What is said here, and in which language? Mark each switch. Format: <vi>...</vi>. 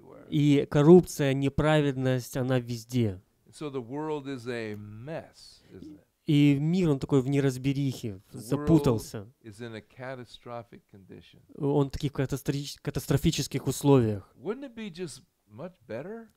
<ru>И коррупция, неправедность, она везде.</ru> <en>So the world is a mess, isn't it?</en> <ru>И мир, он такой в неразберихе, запутался.</ru> <en>The world is in a catastrophic condition.</en> <ru>Он в таких катастрофических условиях.</ru> <en>Wouldn't it be just much better?</en>